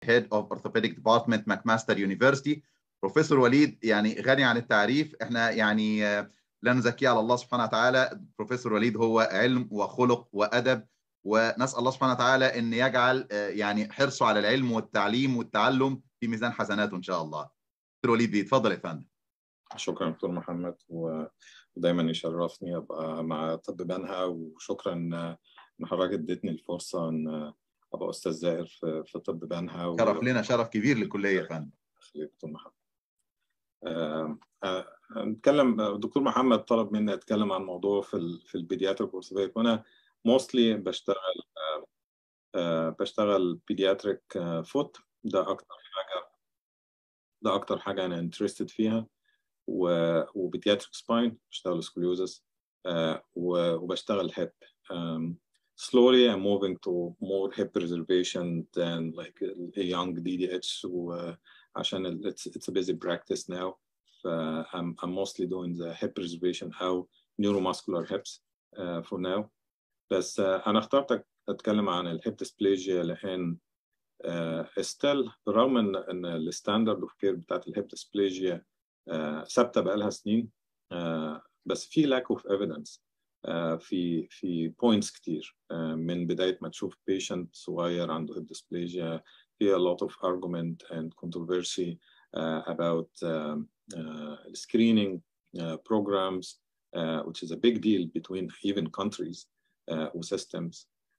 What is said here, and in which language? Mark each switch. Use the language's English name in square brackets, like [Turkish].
[English] Head of Orthopedic Department, McMaster University. [Arabic] Professor Waleed, يعني غني عن التعريف، احنا يعني لا نزكي على الله سبحانه وتعالى، Professor Waleed هو علم وخلق وأدب، ونسأل الله سبحانه وتعالى أن يجعل يعني حرصه على العلم والتعليم والتعلم في ميزان حسناته إن شاء الله. دكتور وليد بيه، تفضل يا فندم. شكرا دكتور محمد، ودايما يشرفني أبقى مع طب بنها، وشكرا أن حضرتك اديتني الفرصة أن أبقى أستاذ زائر في طب بنها. شرف لنا، شرف كبير للكلية يا فندم. خليك دكتور محمد. نتكلم دكتور محمد طلب مني أتكلم عن موضوع في البيدياتريك أورثوبيك، وأنا [English] mostly [Arabic] بشتغل بيدياتريك فوت، ده أكتر حاجة أنا [English] interested [Arabic] فيها، وبيدياتريك سباين بشتغل سكوليوزس، وبشتغل هيب. [English] Slowly I'm moving to more hip preservation than like a young DDH [Arabic] عشان [English] it's a busy practice now. I'm mostly doing the hip preservation how neuromuscular hips for now. [Arabic] بس أنا اخترت أتكلم عن الهيب ديسبليجيا لأن استل برغم أن الستاندرد أوف كير بتاعت الهيب ديسبليجيا ثابتة بقالها سنين، بس في [English] lack of evidence في points [Arabic] كتير من بداية ما تشوف [English] patient [Arabic] صغير عنده هيب ديسبليجيا، في [English] a lot of argument and controversy about screening programs which is a big deal between even countries [Arabic] وسيستمز،